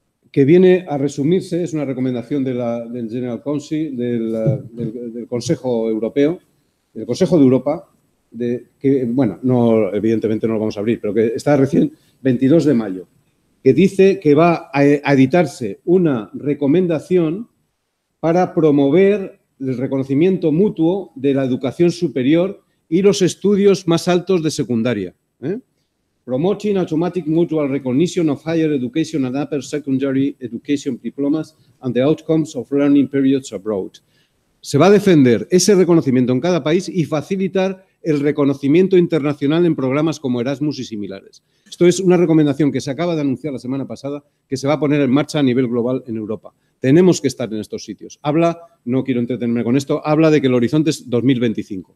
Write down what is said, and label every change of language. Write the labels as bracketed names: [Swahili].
[Spanish] que viene a resumirse, es una recomendación de del General Council, del Consejo Europeo, del Consejo de Europa, evidentemente no lo vamos a abrir, pero que está recién, 22 de mayo, que dice que va a editarse una recomendación para promover el reconocimiento mutuo de la educación superior y los estudios más altos de secundaria. [English] Promoting automatic mutual recognition of higher education and upper secondary education diplomas and the outcomes of learning periods abroad. [Spanish] Se va a defender ese reconocimiento en cada país y facilitar el reconocimiento internacional en programas como Erasmus y similares. Esto es una recomendación que se acaba de anunciar la semana pasada, que se va a poner en marcha a nivel global en Europa. Tenemos que estar en estos sitios. No quiero entretenerme con esto, habla de que el horizonte es 2025.